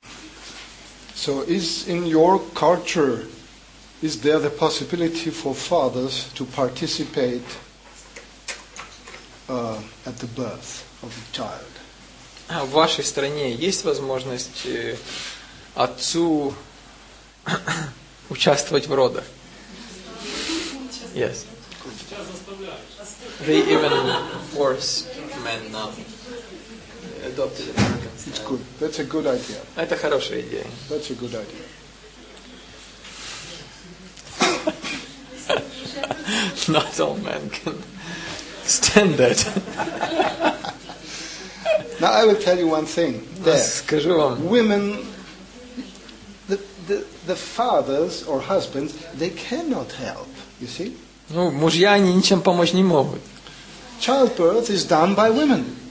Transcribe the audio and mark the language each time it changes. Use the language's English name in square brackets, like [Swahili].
[English] So is in your culture, is there the possibility for fathers to participate at the birth of the child? [Russian] А в вашей стране есть возможность отцу участвовать в родах? [English] Yes. They even force men now. It's good. That's a good idea. [Russian] Это хорошая идея. [English] That's a good idea. Not all men can stand that. Now I will tell you one thing. [Russian] Скажу вам. [English] Women, the fathers or husbands, they cannot help. You see? [Russian] Ну, мужья они ничем помочь не могут. [English] Childbirth is done by women.